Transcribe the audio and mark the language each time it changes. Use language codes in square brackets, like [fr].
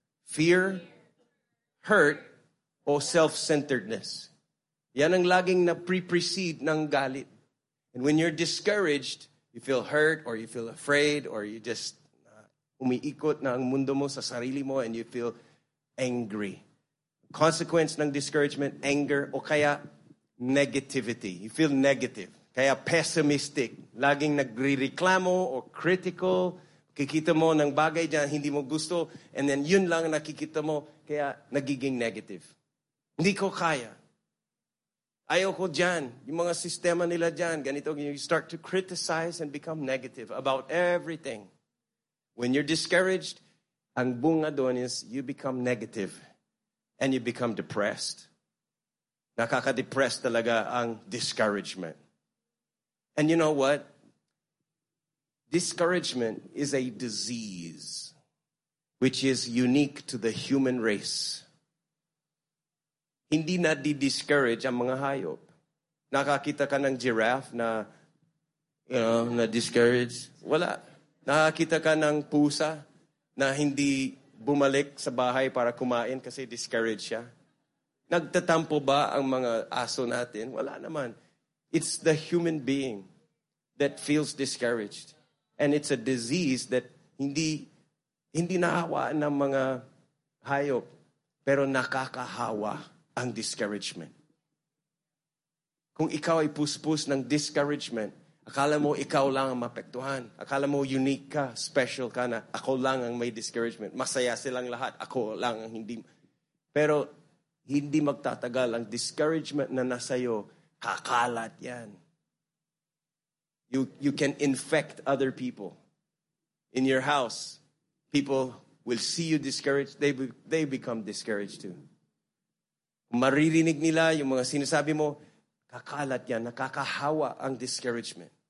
[en] Fear, hurt, or self-centeredness. [tl] Yan ang laging na pre-precede ng galit. [en] And when you're discouraged, you feel hurt, or you feel afraid, or you just [tl] umiikot na ang mundo mo sa sarili mo, [en] and you feel angry. Consequence ng discouragement, anger, o kaya negativity. You feel negative. [tl] Kaya pessimistic. Laging nagre-reklamo or critical. Kikita mo ng bagay dyan, hindi mo gusto. And then yun lang nakikita mo, kaya nagiging negative. Hindi ko kaya. Ayoko dyan. Yung mga sistema nila dyan, ganito. [en] You start to criticize and become negative about everything. When you're discouraged, [tl] ang bunga doon [en] is you become negative and you become depressed. [tl] Nakaka-depressed talaga ang discouragement. [en] And you know what? Discouragement is a disease which is unique to the human race. [tl] Hindi na di-discourage ang mga hayop. Nakakita ka ng giraffe na, you know, na-discouraged? Wala. Nakakita ka ng pusa na hindi bumalik sa bahay para kumain kasi discouraged siya? Nagtatampo ba ang mga aso natin? Wala naman. [en] It's the human being that feels discouraged. And it's a disease that [tl] hindi nahawa ng mga hayop, pero nakakahawa ang discouragement. Kung ikaw ay puspus ng discouragement, akala mo ikaw lang ang mapektuhan. Akala mo unique ka, special ka na ako lang ang may discouragement. Masaya silang lahat, ako lang ang hindi. Pero hindi magtatagal ang discouragement na nasa'yo, kakalat yan. [en] You can infect other people. In your house, people will see you discouraged. They become discouraged too. [tl] Maririnig nila yung mga sinasabi mo, kakalat yan, nakakahawa ang discouragement.